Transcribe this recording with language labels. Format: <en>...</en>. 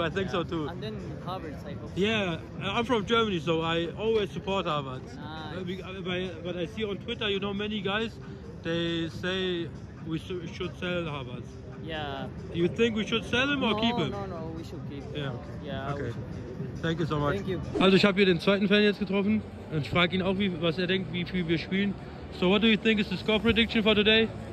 <en>And then Havertz, I hope. Yeah, I'm from Germany, so I always support Havertz. Nice. But I see on Twitter, you know, many guys, they say we should sell Havertz. Yeah. You think we should sell him or keep him? No, we should keep him. Yeah, okay. We should keep him. Thank you so much. Thank you.</en> <de>Also ich habe hier den zweiten Fan jetzt getroffen und ich frage ihn auch, was er denkt, wie viel wir spielen.</de> <en>So what do you think is the score prediction for today?</en>